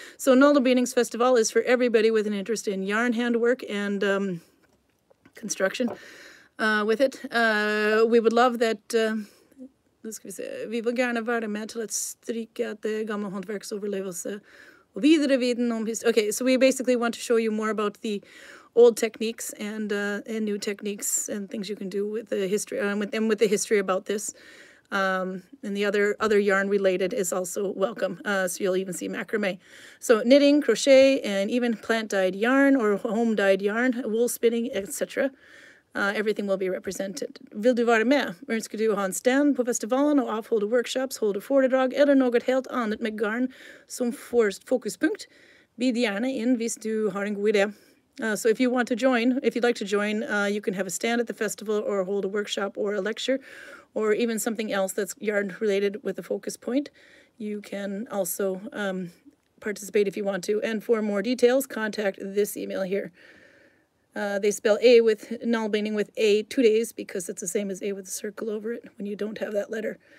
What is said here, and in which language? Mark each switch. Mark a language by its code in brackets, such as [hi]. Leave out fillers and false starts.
[en] So, Nalbindings Festival is for everybody with an interest in yarn handwork and construction with it. We would love that, [no] skal vi se, vi vil gjerne være med til at strikke det gamle håndverks overlevelse. [en] Okay, so we basically want to show you more about the old techniques and new techniques and things you can do with the history and with the history about this. And the other yarn related is also welcome. So you'll even see macrame. So knitting, crochet, and even plant dyed yarn or home dyed yarn, wool spinning, etc. Everything will be represented. [no] Vil du være med? Ønsker du å ha en stand på festivalen og avholde workshops, holde foredrag eller noe helt annet med garn som fokuspunkt? Bid gjerne inn hvis du har en god idé. [en] So if you want to join, if you'd like to join, you can have a stand at the festival or hold a workshop or a lecture or even something else that's yarn related with a focus point. You can also participate if you want to. And for more details, contact this email here. They spell A with Nalbinding with A 2 days because it's the same as A with a circle over it when you don't have that letter.